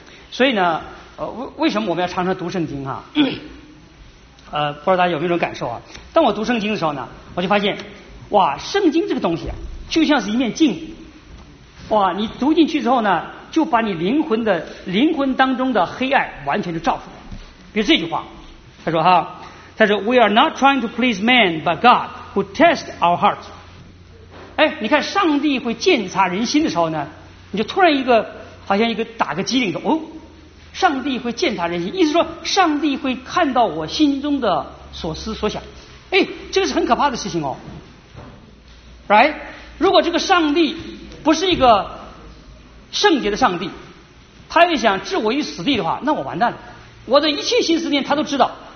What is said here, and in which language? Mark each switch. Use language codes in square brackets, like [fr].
[zh] 所以呢为什么我们要常常读圣经不知道大家有没有这种感受当我读圣经的时候呢，我就发现哇，圣经这个东西就像是一面镜，哇，你读进去之后呢，就把你灵魂当中的黑暗完全就照出来。比如这句话，他说 [en] We are not trying to please man but God who tests our hearts。 [zh] 你看上帝会鉴察人心的时候呢，你就突然一个好像一个打个机灵说上帝会鉴察人心，意思说上帝会看到我心中的所思所想。这个是很可怕的事情right？ 如果这个上帝不是一个圣洁的上帝，他要想置我于死地的话，那我完蛋了，我的一切心思念他都知道。